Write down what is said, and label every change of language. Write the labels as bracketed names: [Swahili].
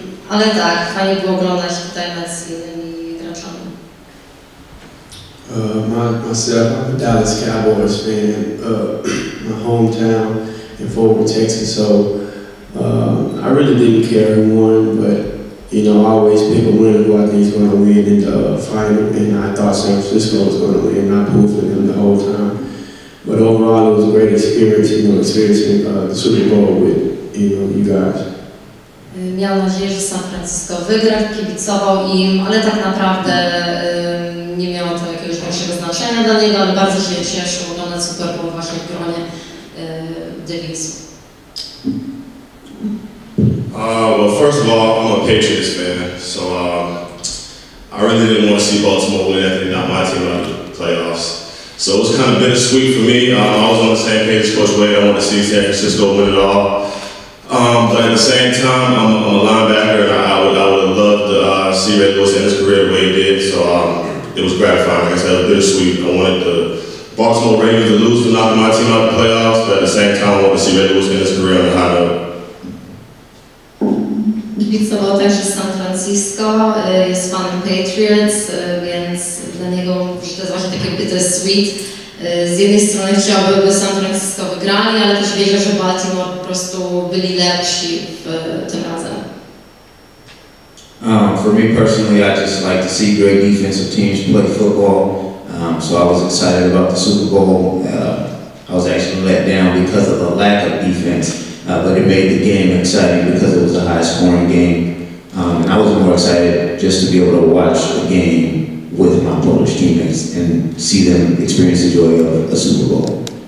[Polish] Ale tak, fajnie było oglądać tutaj mecz z innymi graczami. [English] Myself, I'm a Dallas Cowboys fan, my hometown in Fort Worth, Texas, so I really didn't care who won, but you know, I always pick a winner who I think is going to win in the final, and I thought San Francisco was going to win, and I pulled for them the whole time. But overall, it was a great experience, you know, experiencing the Super Bowl with, you know, you guys. [Polish] Miał nadzieję, że San Francisco wygra, kibicował im, ale tak naprawdę nie miało to jakiegoś większego znaczenia dla niego, ale bardzo się cieszył, oglądać Super Bowl właśnie w gronie Davisu. [English] Well, first of all, I'm a Patriots fan, so I really didn't want to see Baltimore win, and not my team out of the playoffs. So it was kind of bittersweet for me. I was on the same page as Coach Wade. I wanted to see San Francisco win it all. But at the same time, I'm a linebacker, and I would have loved to see Red Bulls end his career the way he did. So it was gratifying. Like I said, it was bittersweet. I wanted the Baltimore Ravens to lose for knocking my team out of the playoffs, but at the same time, I wanted to see Red Bulls end his career on a high note. [Polish] Kibicował też z San Francisco, jest fanem Patriots, więc dla niego że to jest właśnie takie bittersweet. Z jednej strony chciałby, by San Francisco wygrali, ale też wierzę, że Baltimore po prostu byli lepsi w tym razem. [English] For me personally, I just like to see great defensive teams play football, so I was excited about the Super Bowl. I was actually let down because of the lack of defense. But it made the game exciting because it was a high-scoring game. I was more excited just to be able to watch a game with my Polish teammates and see them experience the joy of a Super Bowl.